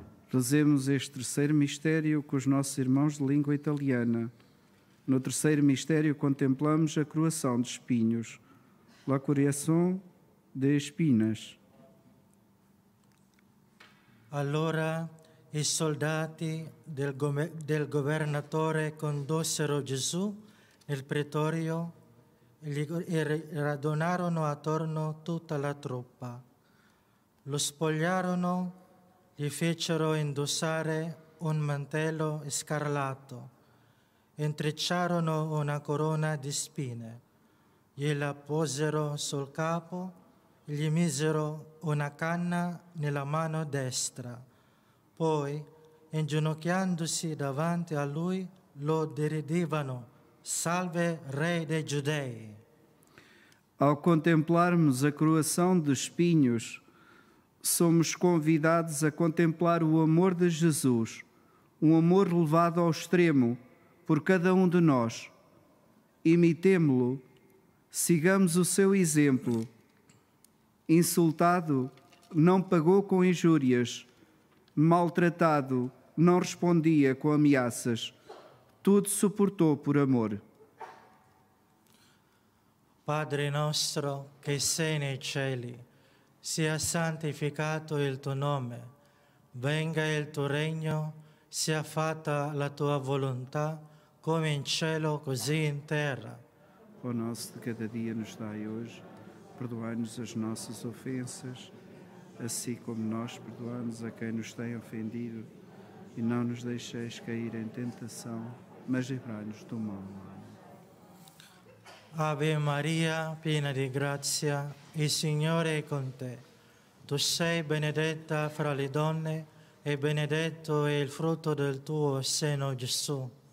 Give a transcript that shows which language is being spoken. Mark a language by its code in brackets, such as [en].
[pt] Rezemos este terceiro mistério com os nossos irmãos de língua italiana. No terceiro mistério contemplamos a coroação de espinhos, la coroação de espinas. [it] Allora i soldati del governatore condussero Gesù nel pretorio e radunarono attorno tutta la truppa. Lo spogliarono, gli fecero indossare un mantello scarlato, intrecciarono una corona di spine, gliela posero sul capo, gli misero una canna nella mano destra, poi, inginocchiandosi davanti a lui, lo diridivano: Salve Re dei Giudei! [pt] Al contemplarmos a coroação de espinhos, somos convidados a contemplar o amor de Jesus, um amor levado ao extremo por cada um de nós. Imitemo-lo, sigamos o seu exemplo. Insultado, não pagou com injúrias. Maltratado, não respondia com ameaças. Tudo suportou por amor. Padre nosso, que [it] sei nei cieli, sia santificato il tuo nome, venga il tuo regno, sia fatta la tua volontà, come in cielo, così in terra. [pt] O nosso de cada dia nos dai hoje, perdoai-nos as nossas ofensas, assim como nós perdoamos a quem nos tem ofendido, e não nos deixeis cair em tentação, mas livrai-nos do mal. [it] Ave Maria, piena di grazia, il Signore è con te. Tu sei benedetta fra le donne e benedetto è il frutto del tuo seno, Gesù.